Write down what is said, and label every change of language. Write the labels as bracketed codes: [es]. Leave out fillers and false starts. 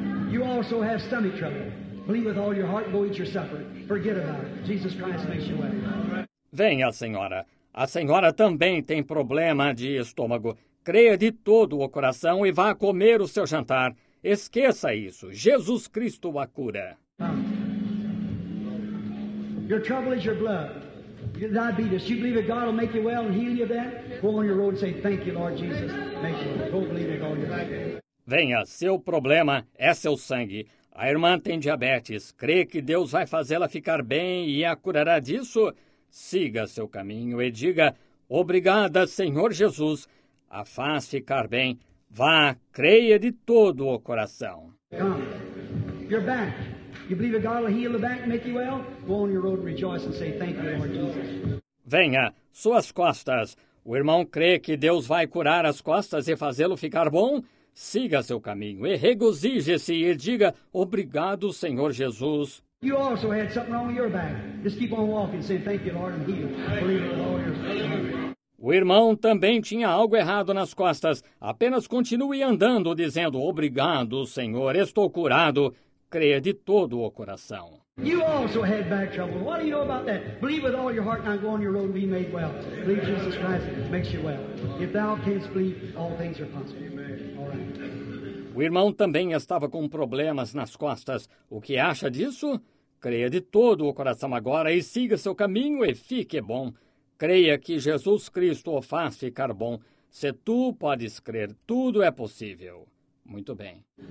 [en] You also have stomach trouble. Believe with all your heart and go eat your supper. Forget about it. Jesus Christ makes you well. [pt] Venha, senhora. A senhora também tem problema de estômago. Creia de todo o coração e vá comer o seu jantar. Esqueça isso. Jesus Cristo a cura. [en] Your trouble is your blood. Your diabetes. You believe that God will make you well and heal you then? Go on your road and say, thank you, Lord Jesus. Make you well. Go believe it all your life. [pt] Venha, seu problema é seu sangue. A irmã tem diabetes. Crê que Deus vai fazê-la ficar bem e a curará disso? Siga seu caminho e diga, obrigada, Senhor Jesus. A faz ficar bem. Vá, creia de todo o coração. [en] Come. You're back. You believe that God will heal the back and make you well? Go on your road and rejoice and say, thank you, Lord Jesus. [pt] Venha, suas costas. O irmão crê que Deus vai curar as costas e fazê-lo ficar bom? siga seu caminho e regozije-se e diga obrigado, Senhor Jesus. [en] You also had something wrong with your back. Just keep on walking, say thank you, Lord, and heal. Believe it, Lord. [pt] O irmão também tinha algo errado nas costas. Apenas continue andando, dizendo, obrigado, Senhor, estou curado. Creia de todo o coração. [en] You also had back trouble. What do you know about that? Believe with all your heart, now go on your road and be made well. Believe Jesus Christ makes you well. If thou canst believe, all things are possible. Amen. All right. [pt] O irmão também estava com problemas nas costas. O que acha disso? Creia de todo o coração agora e siga seu caminho e fique bom. Creia que Jesus Cristo o faz ficar bom. Se tu podes crer, tudo é possível. Muito bem.